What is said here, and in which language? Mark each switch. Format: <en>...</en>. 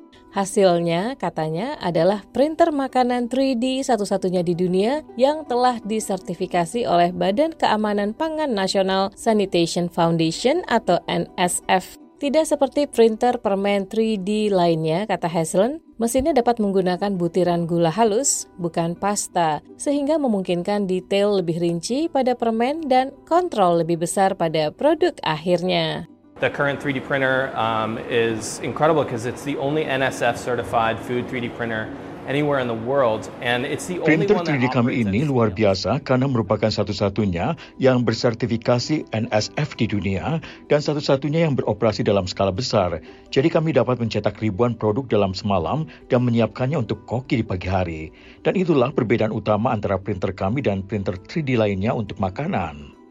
<id>Hasilnya, katanya, adalah printer makanan 3D satu-satunya di dunia yang telah disertifikasi oleh Badan Keamanan Pangan Nasional Sanitation Foundation atau NSF. Tidak seperti printer permen 3D lainnya, kata Hazelen, mesinnya dapat menggunakan butiran gula halus, bukan pasta, sehingga memungkinkan detail lebih rinci pada permen dan kontrol lebih besar pada produk akhirnya.</id> <en>The current 3D printer is incredible because it's the only NSF certified food 3D printer anywhere in the world, and it's the only</en> <id>printer 3D kami ini luar biasa karena merupakan satu-satunya yang bersertifikasi NSF di dunia dan satu-satunya yang beroperasi dalam skala besar. Jadi kami dapat mencetak ribuan produk dalam semalam dan menyiapkannya untuk koki di pagi hari. Dan itulah perbedaan utama antara printer kami dan printer 3D lainnya untuk makanan.</id>